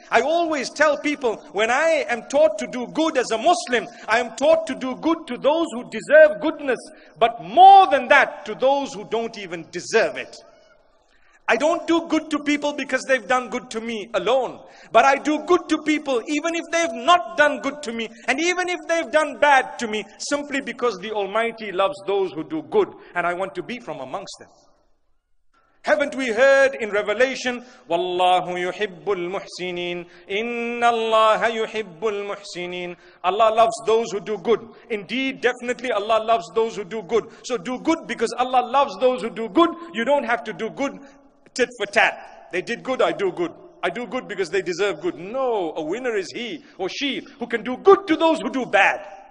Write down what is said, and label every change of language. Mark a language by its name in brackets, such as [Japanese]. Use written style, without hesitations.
[English] I always tell people, when I am taught to do good as a Muslim, I am taught to do good to those who deserve goodness, but more than that, to those who don't even deserve it. I don't do good to people because they've done good to me alone. But I do good to people even if they've not done good to me. And even if they've done bad to me, simply because the Almighty loves those who do good. And I want to be from amongst them. Haven't we heard in Revelation, [Arabic] وَاللَّهُ يُحِبُّ الْمُحْسِنِينَ إِنَّ اللَّهَ يُحِبُّ الْمُحْسِنِينَ [English] Allah loves those who do good. Indeed, definitely Allah loves those who do good. So do good because Allah loves those who do good. You don't have to do good tit for tat. They did good, I do good. I do good because they deserve good. No, a winner is he or she who can do good to those who do bad.